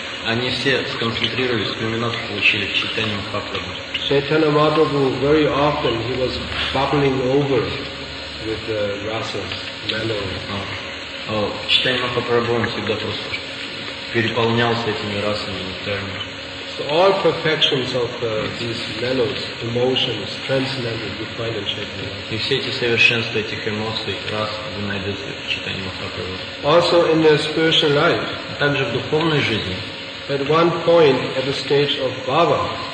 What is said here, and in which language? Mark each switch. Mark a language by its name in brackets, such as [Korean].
[Russian] Они все сконцентрировались, кульминацию получили в Чайтанья Махапрабху. [English] Chaitanya Mahaprabhu, very often he was bubbling over with the rasas, mellow. [Russian] Чайтанья Махапрабху всегда просто переполнялся этими расами, нектарами. [English] So all perfections of these mellows, emotions, transcendental, you find in Chaitanya. [Russian] И все эти совершенства этих эмоций, рас, вы найдете в Чайтанье Махапрабху. [English] Also in the spiritual life. [Russian] Также в духовной жизни. [English] At one point, at the stage of Bhava.